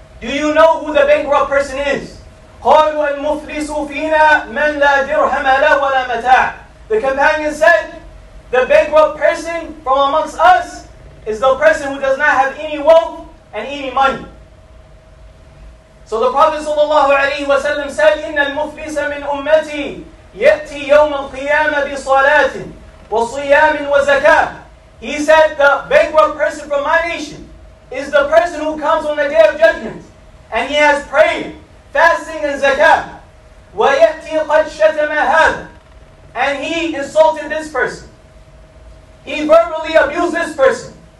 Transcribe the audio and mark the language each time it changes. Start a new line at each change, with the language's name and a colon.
English: Do you know who the bankrupt person is?
Arabic: قَالُوا الْمُفْلِسُ فِينَا مَنْ لَا دِرْهَمَ لَهُ وَلَا مَتَاعٍ.
English: The companion said, the bankrupt person from amongst us is the person who does not have any wealth and any money. So the Prophet sallallahu alaihi wasallam
Arabic: said, إِنَّ الْمُفْلِسَ مِنْ أُمَّتِي يَأْتِي يَوْمَ الْقِيَامَةِ بِصَلَاةٍ وَصِيَامٍ وَزَكَاةٍ.
English: He said, the bankrupt person from my nation is the person who comes on the Day of Judgment, and he has prayer, fasting, and zakah.
Arabic: وَيَأْتِي قَدْ شَتَمَ هَذَا.
English: And he insulted this person. He verbally abused this person.